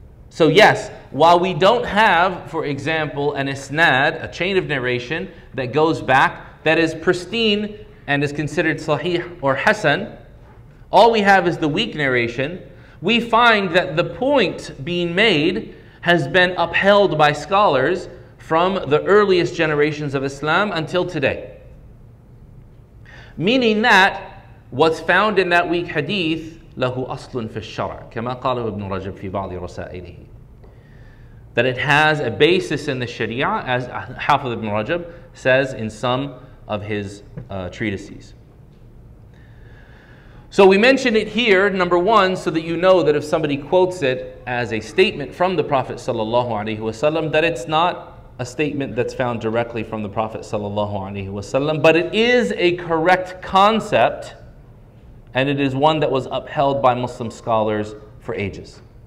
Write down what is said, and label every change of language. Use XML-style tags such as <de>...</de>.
<en>So yes, while we don't have, for example, an isnad, a chain of narration that goes back, that is pristine and is considered sahih or hasan, all we have is the weak narration, we find that the point being made has been upheld by scholars from the earliest generations of Islam until today. Meaning that what's found in that weak hadith,</en> <ar>لَهُ أَصْلٌ فِي الشَّرْعِ كَمَا قَالَهُ ابْنُ رَجَبْ فِي بَعْضِ رَسَائِلِهِ.</ar> <en>That it has a basis in the Sharia, as Hafidh ibn Rajab says in some of his treatises. So we mention it here, number one, so that you know that if somebody quotes it as a statement from the Prophet sallallahu alaihi wasallam, that it's not a statement that's found directly from the Prophet sallallahu alaihi wasallam, but it is a correct concept, and it is one that was upheld by Muslim scholars for ages.</en>